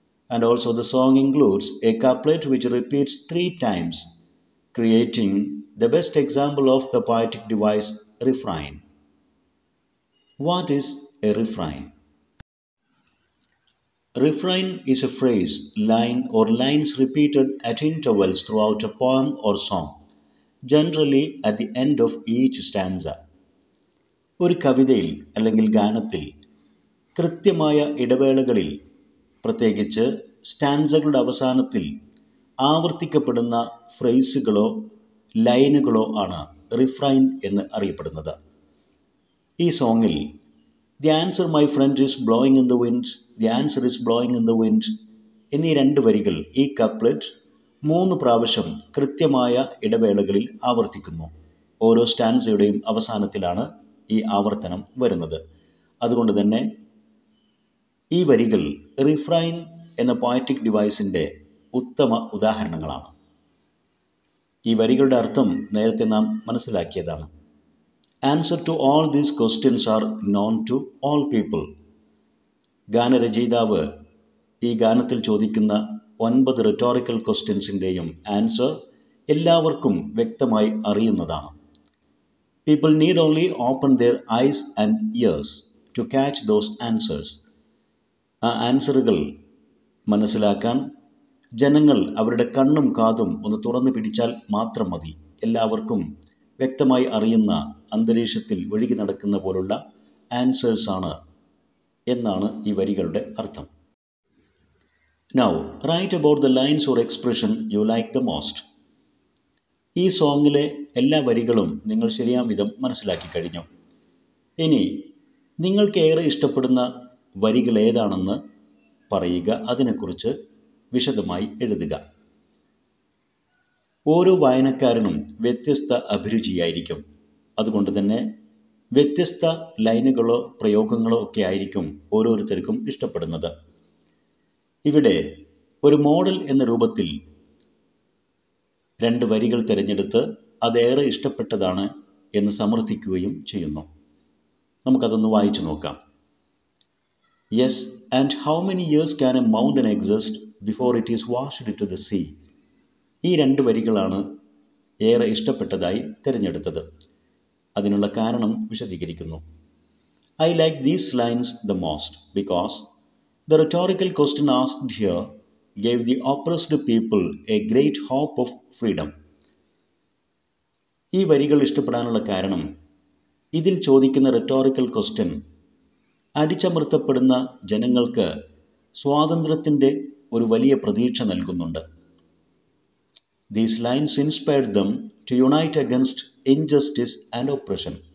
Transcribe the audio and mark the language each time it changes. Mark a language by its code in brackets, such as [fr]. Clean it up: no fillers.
[en] And also the song includes a couplet which repeats 3 times, creating the best example of the poetic device refrain. What is a refrain? Refrain is a phrase, line or lines repeated at intervals throughout a poem or song, generally at the end of each stanza. [ml] ഒരു കവിതയിൽ അല്ലെങ്കിൽ ഗാനത്തിൽ കൃത്യമായ ഇടവേളകളിൽ പ്രത്യേകിച്ച് സ്റ്റാൻസകളുടെ അവസാനത്തിൽ ആവർത്തിക്കപ്പെടുന്ന ഫ്രേസുകളോ ലൈനുകളോ ആണ് refrain എന്ന് അറിയപ്പെടുന്നത്. [en] ഈ സോങ്ങിൽ the answer my friend is blowing in the wind, the answer is blowing in the wind [ml] എന്നീ രണ്ട് വരികൾ, ഈ കപ്ലറ്റ് 3 പ്രാവശ്യം കൃത്യമായ ഇടവേളകളിൽ ആവർത്തിക്കുന്നു. ഓരോ സ്റ്റാൻസയുടെയും അവസാനത്തിലാണ് ഈ ആവർത്തനം വരുന്നത്. അതുകൊണ്ട് തന്നെ ഈ വരികൾ റിഫ്രൈൻ എന്ന പോയറ്റിക് ഡിവൈസിൻ്റെ ഉത്തമ ഉദാഹരണങ്ങളാണ്. ഈ വരികളുടെ അർത്ഥം നേരത്തെ നാം മനസ്സിലാക്കിയതാണ്. [en] Answer to all these questions are non to all people. [ml] ഗാനരചയിതാവ് ഈ ഗാനത്തിൽ ചോദിക്കുന്ന 9 റിറ്റോറിക്കൽ ക്വസ്റ്റ്യൻസിൻ്റെയും ആൻസർ എല്ലാവർക്കും വ്യക്തമായി അറിയുന്നതാണ്. [en] People need only open their eyes and ears to catch those answers. [ml] ആ ആൻസറുകൾ മനസ്സിലാക്കാൻ ജനങ്ങൾ അവരുടെ കണ്ണും കാതും ഒന്ന് തുറന്നു പിടിച്ചാൽ മാത്രം മതി. എല്ലാവർക്കും വ്യക്തമായി അറിയുന്ന, അന്തരീക്ഷത്തിൽ ഒഴുകി നടക്കുന്ന പോലുള്ള ആൻസേഴ്സാണ് എന്നാണ് ഈ വരികളുടെ അർത്ഥം. [en] Now, write about the lines or expression you like the most. [ml] ഈ സോങ്ങിലെ എല്ലാ വരികളും നിങ്ങൾ ശരിയാം വിധം മനസ്സിലാക്കി കഴിഞ്ഞു. ഇനി നിങ്ങൾക്ക് ഏറെ ഇഷ്ടപ്പെടുന്ന വരികൾ ഏതാണെന്ന് പറയുക, അതിനെക്കുറിച്ച് വിശദമായി എഴുതുക. ഓരോ വായനക്കാരനും വ്യത്യസ്ത അഭിരുചിയായിരിക്കും. അതുകൊണ്ട് തന്നെ വ്യത്യസ്ത ലൈനുകളോ പ്രയോഗങ്ങളോ ഒക്കെ ആയിരിക്കും ഓരോരുത്തർക്കും ഇഷ്ടപ്പെടുന്നത്. ഇവിടെ ഒരു മോഡൽ എന്ന രൂപത്തിൽ 2 വരികൾ തിരഞ്ഞെടുത്ത് അതേറെ ഇഷ്ടപ്പെട്ടതാണ് എന്ന് സമർത്ഥിക്കുകയും ചെയ്യുന്നു. നമുക്കതൊന്ന് വായിച്ചു നോക്കാം. [en] Yes, and how many years can a mountain exist before it is washed to the sea? [ml] ഈ രണ്ട് വരികളാണ് ഏറെ ഇഷ്ടപ്പെട്ടതായി തിരഞ്ഞെടുത്തത്. അതിനുള്ള കാരണം വിശദീകരിക്കുന്നു. [en] I like these lines the most because the rhetorical question asked here gave the oppressed people a great hope of freedom. [ml] ഈ വരികൾ ഇഷ്ടപ്പെടാനുള്ള കാരണം, ഇതിൽ ചോദിക്കുന്ന റിട്ടോറിക്കൽ ക്വസ്റ്റ്യൻ അടിച്ചമർത്തപ്പെടുന്ന ജനങ്ങൾക്ക് സ്വാതന്ത്ര്യത്തിൻ്റെ ഒരു വലിയ പ്രതീക്ഷ നൽകുന്നുണ്ട്. [en] These lines inspired them to unite against injustice and oppression.